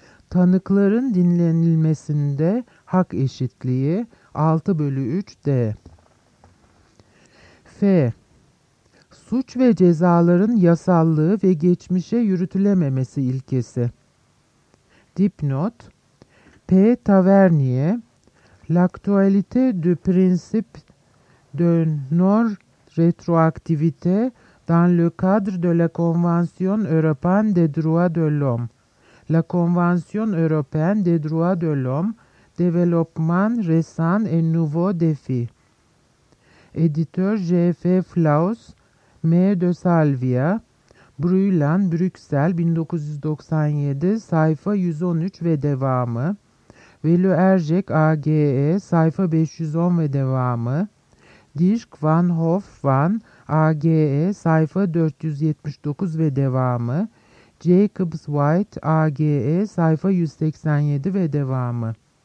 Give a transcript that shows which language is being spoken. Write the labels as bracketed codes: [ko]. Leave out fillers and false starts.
[tr] Tanıkların dinlenilmesinde hak eşitliği 6/3D. F. Suç ve cezaların yasallığı ve geçmişe yürütülememesi ilkesi. Dipnot. P. [fr] Tavernier, L'actualité du principe de non-rétroactivité dans le cadre de la Convention européenne des droits de l'homme. La Convention européenne des droits de l'homme, développement récent et nouveau défi. Éditeur G.F. Flaus, M. [tr] de Salvia, Brüylan, Bruxelles, 1997, sayfa 113 ve devamı. Velü Ercek AGE sayfa 510 ve devamı, Dirk van Hof van AGE sayfa 479 ve devamı, Jacobs White AGE sayfa 187 ve devamı.